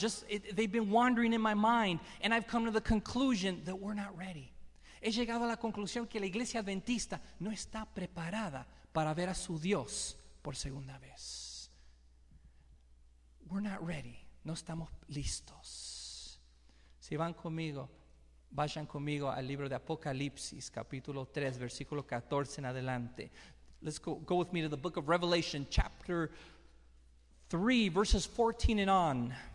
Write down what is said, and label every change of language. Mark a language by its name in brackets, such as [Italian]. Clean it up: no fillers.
[English] They've been wandering in my mind, and I've come to the conclusion that we're not ready. [Spanish] He llegado a la conclusión que la iglesia adventista no está preparada para ver a su Dios por segunda vez. [English] We're not ready. [Spanish] No estamos listos. Si van conmigo, vayan conmigo al libro de Apocalipsis, capítulo 3, versículo 14 en adelante. [English] Let's go with me to the book of Revelation, chapter 3, verses 14 and on.